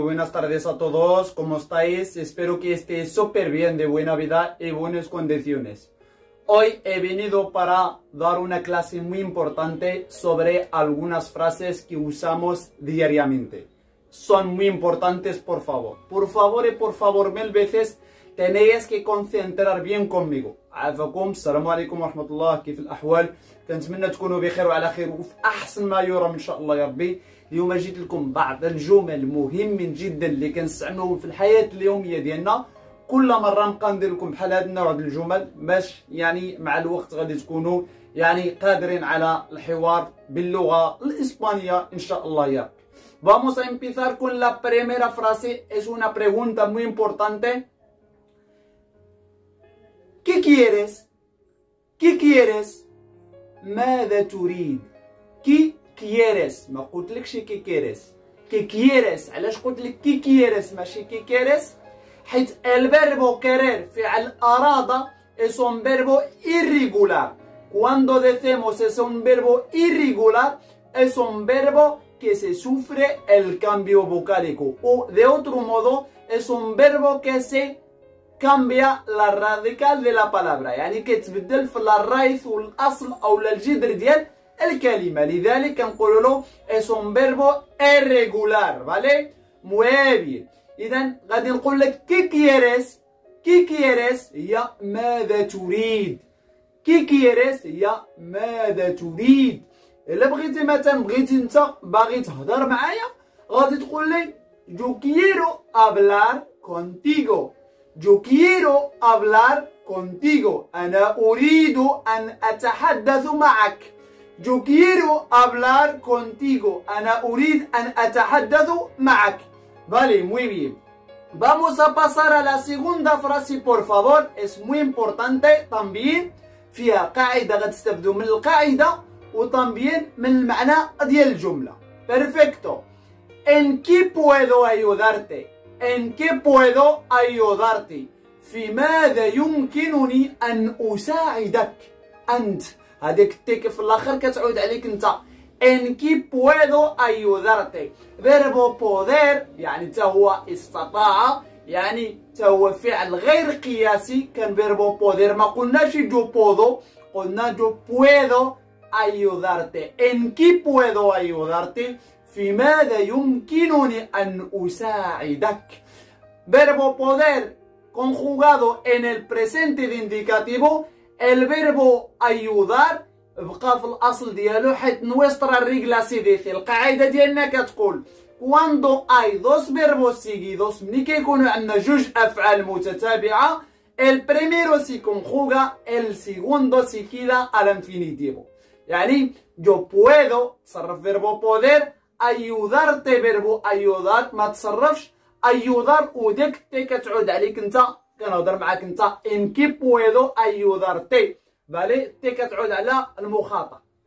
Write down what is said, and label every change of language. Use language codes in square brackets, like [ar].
[es] tardes a todos, ¿cómo estáis? Espero que estéis súper bien, de buena vida y buenas condiciones. Hoy he venido para dar una clase muy importante sobre algunas frases que usamos diariamente. Son muy importantes, por favor. Por favor y por favor, mil veces, tenéis que concentrar bien conmigo. [ar] أعزكم السلام عليكم ورحمة الله كيف الأحوال كنتمنى تكونوا بخير وعلى خير وفي أحسن ما يرام إن شاء الله يا ربي. اليوم جيت لكم بعض الجمل مهم جدا اللي كنستعملوهم في الحياة اليومية ديالنا. كل مرة نبقى ندير لكم بحال هذا النوع ديال الجمل باش يعني مع الوقت غادي تكونوا يعني قادرين على الحوار باللغة الإسبانية إن شاء الله يا ربي. [es] Vamos a empezar con la primera frase, es una pregunta muy importante. ¿Qué quieres? ¿Qué quieres? [ar] ماذا تريد؟ [es] ¿Qué quieres? [ar] ما قلت لك شي [es] كي quieres. ¿Qué quieres? [ar] علاش قلت لك كي quieres ماشي كي quieres؟ حيت الverb querer فعل أراد [es] es un verbo irregular. Cuando decimos es un verbo irregular es un verbo que se sufre el cambio vocálico. O de otro modo es un verbo que se cambia la radical de la palabra, [ar] يعني كتبدل في [es] la raíz o el asl o el jidr [ar] ديال الكلمة. لذلك نقولو له [es] es un verbo irregular, ¿vale? Muy bien. [ar] إذن غادي نقول لك كي quieres, كي quieres يا ماذا تريد, كي quieres يا ماذا تريد. إلا بغيتي مثلا بغيتي انت باغي تهضر معايا غادي تقول لي [es] yo quiero hablar contigo. Yo quiero hablar contigo. [ar] أنا أريد أن أتحدث معك. [es] Yo quiero hablar contigo. [ar] أنا أريد أن أتحدث معك. [es] Vale, muy bien. Vamos a pasar a la segunda frase, por favor. Es muy importante también. [ar] فيها قاعدة غتستفدوا من القاعدة وطبعاً من المعنى ديال الجملة. [es] Perfecto. ¿En qué puedo ayudarte? ¿En qué puedo ayudarte? [ar] في ماذا يمكنني أن أساعدك؟ أنت هذيك التيك في الآخر كتعود عليك أنت. [es] ¿En qué puedo ayudarte? [ar] Verbo poder يعني تهو استطاع يعني تهو فعل غير قياسي كان verbo poder. ما قلناش [es] yo puedo [ar] قلنا [es] yo puedo ayudarte. ¿En qué puedo ayudarte? [ar] في ماذا يمكنني أن أساعدك؟ [es] verbo poder conjugado en el presente de indicativo. El verbo ayudar [ar] بقى في الأصل ديالو حيت [es] nuestra regla se dice. [ar] القاعدة ديالنا كتقول [es] cuando hay dos verbos seguidos [ar] ملي كيكونوا عندنا جوج أفعال متتابعة [es] el primero se conjuga el segundo se queda al infinitivo. [ar] يعني [es] yo puedo [ar] صرف verbo poder [es] ayudarte [ar] verbo ayudar ما تصرفش ayudar وديك تي كتعود عليك انت كنهضر معاك انت ان كي بويدو ayudarte فالي تي كتعود على المخاطب